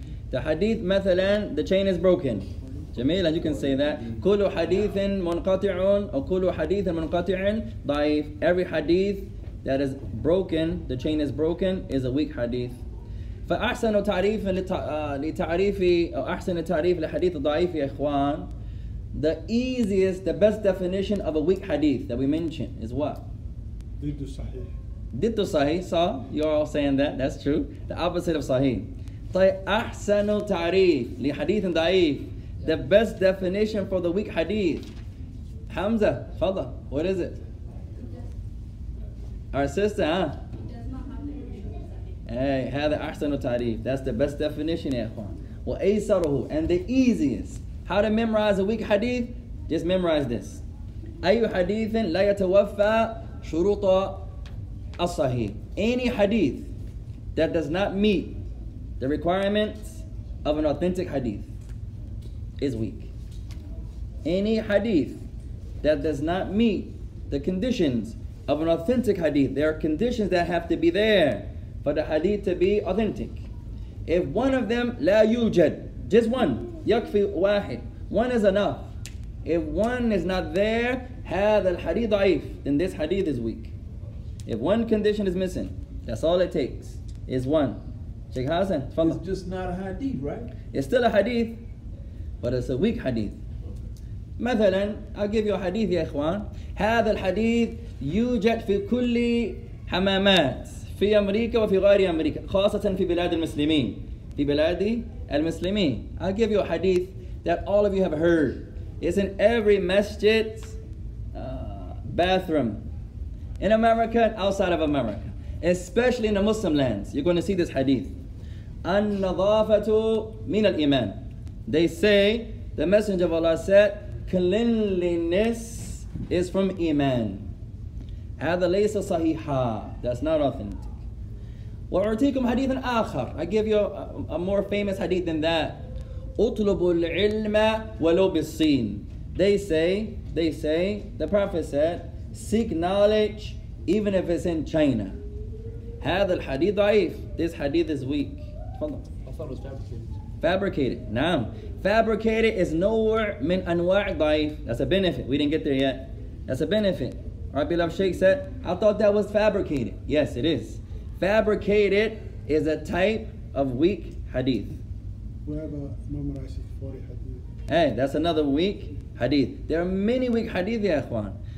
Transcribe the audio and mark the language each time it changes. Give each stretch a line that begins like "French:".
English: The hadith,
Arabic: مثلاً,
English: the chain is broken. Jameel, and you can say that.
Arabic: كُلُّ حَدِيثٍ مُنْقَطِعٌ وَكُلُّ حَدِيثٍ مُنْقَطِعٍ ضَعِيف.
English: Every hadith that is broken, the chain is broken, is a weak hadith.
Arabic: فَأَحْسَنُ تَعْرِيفٍ لِتَعْرِيفِ أو أَحْسَنُ تَعْرِيفٍ لِحَدِيثٍ ضَعِيفٍ يَا إِخْوَان.
English: The easiest, the best definition of a weak hadith that we mention is what?
Arabic: Diddu sahih. Diddu sahih,
English: so you're all saying that, that's true. The opposite of sahih.
Arabic: أَحْسَنُ تَعْرِيفٍ لِحَدِيثٍ ضَعِيفٍ.
English: The best definition for the weak hadith. Hamza, Fadha, what is it? Our sister, huh? Hey,
Arabic: هذا أحسن تعريف.
English: That's the best definition,
Arabic: إخوان. وأيسره,
English: and the easiest. How to memorize a weak hadith? Just memorize this.
Arabic: أي حديث لا يتوفى شروط الصحيح.
English: Any hadith that does not meet the requirements of an authentic hadith is weak. Any hadith that does not meet the conditions of an authentic hadith, there are conditions that have to be there for the hadith to be authentic. If one of them,
Arabic: لا يوجد,
English: just one,
Arabic: يكفي واحد,
English: one is enough. If one is not there,
Arabic: هذا الحديث ضعيف,
English: then this hadith is weak. If one condition is missing, that's all it takes, is one. Sheikh Hassan, follow. It's just not a hadith, right? It's still a hadith, but it's a weak hadith.
Arabic: مثلا,
English: I'll give you a hadith,
Arabic: يا إخوان. هذا الحديث يوجد في كل حمامات في أمريكا وفي غير أمريكا خاصة في بلاد المسلمين. في بلاد المسلمين.
English: I'll give you a hadith that all of you have heard. It's in every masjid bathroom in America and outside of America. Especially in the Muslim lands. You're going to see this hadith.
Arabic: النظافة من الإيمان.
English: They say, the Messenger of Allah said, cleanliness is from Iman.
Arabic: هذا ليس صحيحا.
English: That's not authentic.
Arabic: وأعطيكم حديث آخر.
English: I give you a more famous hadith than that.
Arabic: أطلبوا العلم ولو بالصين.
English: They say, the Prophet said, seek knowledge even if it's in China.
Arabic: هذا الحديث ضعيف.
English: This hadith is weak.
Arabic: تفضل.
English: I thought it was fabricated. Fabricated,
Arabic: نعم.
English: Fabricated is nowhere
Arabic: من أنواع ضعيف.
English: That's a benefit. We didn't get there yet. That's a benefit. Our beloved Sheikh said, I thought that was fabricated. Yes, it is. Fabricated is a type of weak hadith. We have a memorized 40 hadith. Hey, that's another weak hadith. There are many weak hadith,
Arabic: يا إخوان.